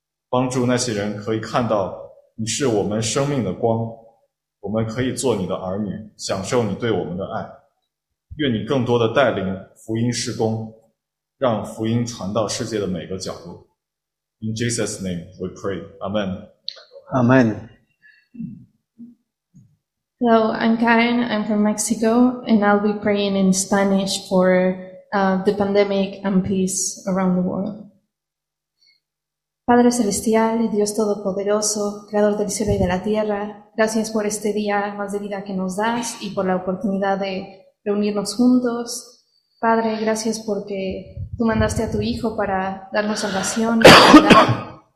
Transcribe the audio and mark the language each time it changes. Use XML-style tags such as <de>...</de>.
<zh>帮助那些人可以看到你是我们生命的光，我们可以做你的儿女，享受你对我们的爱。愿你更多的带领福音事工，让福音传到世界的每个角落。</zh> <en>In Jesus' name we pray. Amen. Amen. Hello, I'm Karen. I'm from Mexico, and I'll be praying in Spanish for the pandemic and peace around the world.</en> <es>Padre Celestial, Dios Todopoderoso, Creador del cielo y de la tierra, gracias por este día más de vida que nos das y por la oportunidad de reunirnos juntos. Padre, gracias porque tú mandaste a tu Hijo para darnos salvación y sanidad.</es>